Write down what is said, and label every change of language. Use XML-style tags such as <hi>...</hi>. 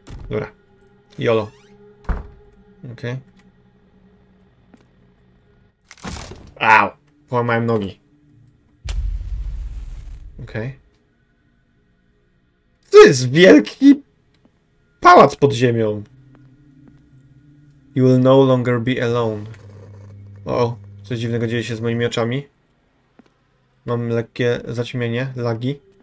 <pl>Dobra. YOLO. Okej. Okay. Au! Połamałem nogi. Okej. Okay. To jest wielki pałac pod ziemią.</pl> <en>You will no longer be alone.</en> <pl>O, coś dziwnego dzieje się z moimi oczami. Mam lekkie zaćmienie, lagi.</pl>